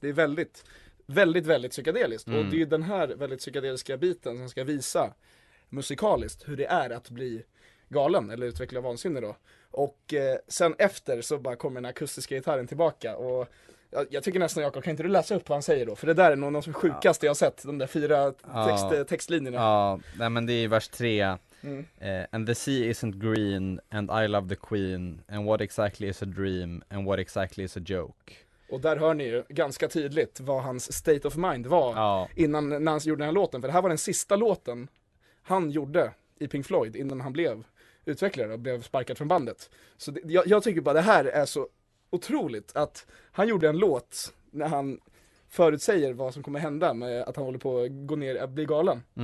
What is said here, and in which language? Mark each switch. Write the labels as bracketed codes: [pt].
[sv] Det är väldigt, väldigt, väldigt psykedeliskt. Och det är den här väldigt psykedeliska biten som ska visa musikaliskt hur det är att bli galen eller utveckla vansinne då. Och sen efter så bara kommer den akustiska gitarren tillbaka. Och jag tycker nästan, Jakob, kan inte du läsa upp vad han säger då? För det där är nog något som sjukaste jag har sett, de där 4 textlinjerna. Ja, nej, men det är vers 3. [en] And the sea isn't green, and I love the queen, and what exactly is a dream, and what exactly is a joke. [sv] Och där hör ni ju ganska tydligt vad hans [en] state of mind [sv] var innan när han gjorde den här låten. För det här var den sista låten han gjorde i Pink Floyd innan han blev utvecklare och blev sparkad från bandet. Så det, jag tycker bara det här är så otroligt att han gjorde en låt när han förutsäger vad som kommer hända med att han håller på att gå ner och bli galen.